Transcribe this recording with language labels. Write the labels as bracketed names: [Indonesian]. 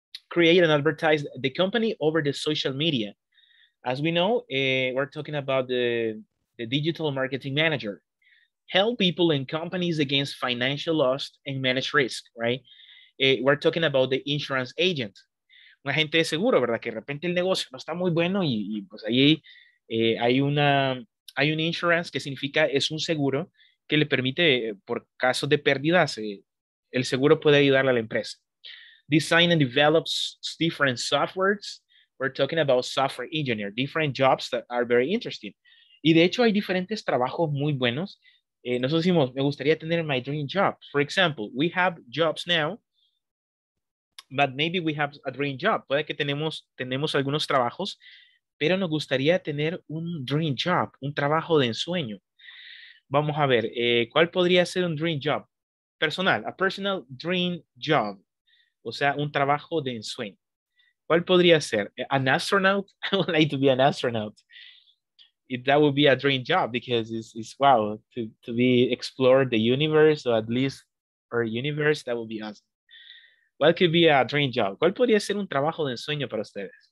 [English] Create and advertise the company over the social media. As we know, we're talking about the digital marketing manager. Help people and companies against financial loss and manage risk, right? We're talking about the insurance agent. [Spanish] Un agente de seguro, ¿verdad? Que de repente el negocio no está muy bueno y pues ahí hay un insurance que significa es un seguro que le permite, por casos de pérdidas, el seguro puede ayudarle a la empresa. [English] Design and develop different softwares. We're talking about software engineer. Different jobs that are very interesting. [Spanish] Y de hecho hay diferentes trabajos muy buenos. Nosotros decimos, me gustaría tener [English] my dream job. For example, we have jobs now. But maybe we have a dream job. [Spanish] Puede que tenemos algunos trabajos, pero nos gustaría tener un dream job, un trabajo de ensueño. Vamos a ver, ¿cuál podría ser un dream job? Personal, [English] a personal dream job. [Spanish] O sea, un trabajo de ensueño. ¿Cuál podría ser? [English] An astronaut? I would like to be an astronaut. If that would be a dream job because it's wow, to be explore the universe or at least our universe, that would be awesome. What could be a dream job? [Spanish] ¿Cuál podría ser un trabajo de ensueño para ustedes?